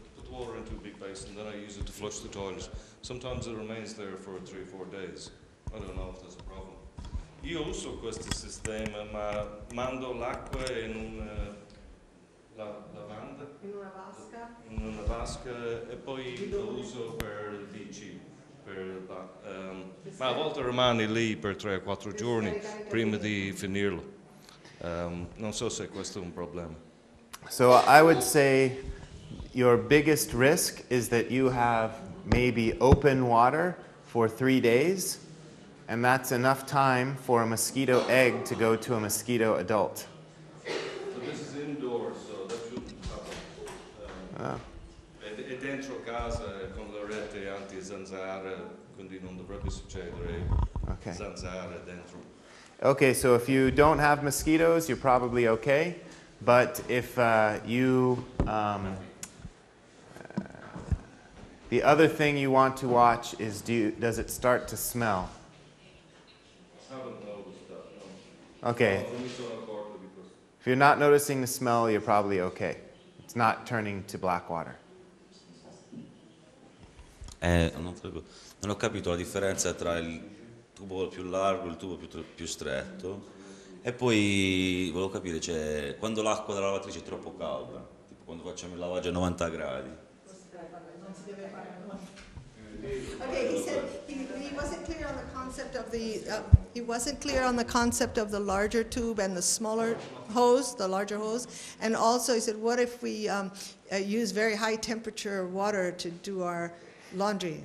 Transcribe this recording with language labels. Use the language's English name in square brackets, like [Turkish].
[English] Water into a big basin, then I use it to flush the toilet. Sometimes it remains there for 3 or 4 days. I don't know if there's a problem. [Italian] Io uso questo sistema, ma mando l'acqua in una lavanda. In una vasca. In una vasca e poi lo uso per il PC. Ma a volte rimane lì per 3 o 4 giorni prima di finirlo. Non so se questo è un problema. [English] So I would say your biggest risk is that you have maybe open water for 3 days, and that's enough time for a mosquito egg to go to a mosquito adult. So this is indoors, so that shouldn't happen. Oh. [Italian] E dentro casa con la rete anti zanzara, quindi non dovrebbe succedere. [English] Okay. [Italian] Zanzara dentro. [English] Okay, so if you don't have mosquitoes, you're probably okay. But if the other thing you want to watch is does it start to smell? I haven't noticed that, no. Okay. If you're not noticing the smell, you're probably okay. It's not turning to black water. [Italian] Non ho capito la differenza tra il tubo più largo e il tubo più stretto. E poi volevo capire, cioè, quando l'acqua della lavatrice è troppo calda, tipo quando facciamo il lavaggio a 90 gradi. [English] Okay, he said he wasn't clear on the concept of the he wasn't clear on the concept of the larger tube and the smaller hose, the larger hose. And also he said, what if we use very high temperature water to do our laundry?